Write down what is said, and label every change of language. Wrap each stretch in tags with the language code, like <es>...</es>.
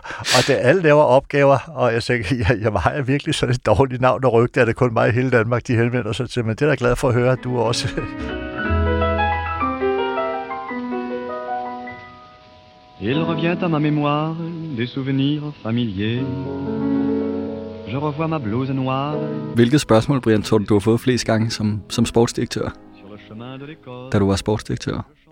<da>og det er alle laver opgaver, og jeg siger, har jeg virkelig sådan et dårligt navn at rykke, det er det kun mig i hele Danmark, de henvender sig til, men det er jeg glad for at høre, at du også...</da> <fr>Il revient à ma mémoire des souvenirs familiers. Je revois ma blouse noire.</fr> <da>Hvilket spørgsmål, Brian, tror du har fået flest gange som sportsdirektør, da du var sportsdirektør?</da>